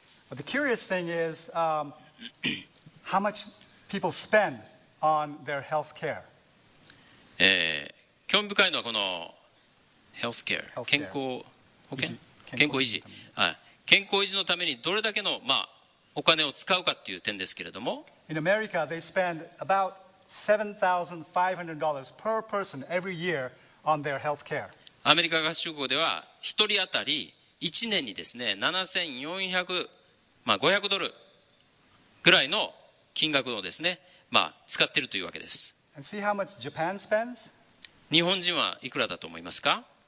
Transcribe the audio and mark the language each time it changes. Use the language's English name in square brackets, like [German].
[English] But the curious thing is, how much people spend on their health care. [Japanese] 興味深いのはこの health care、健康保険、健康維持、健康維持のためにどれだけの、まあ、お金を使うかという点ですけれども。 [English] In America, they spend about $7,500 per person every year on their health care. [Japanese] アメリカ合衆国では1人当たり1年にですね、$7,500ぐらいの金額をですね、まあ、使っているというわけです。 [English] And see how much Japan spends? [Japanese] 日本人はいくらだと思いますか。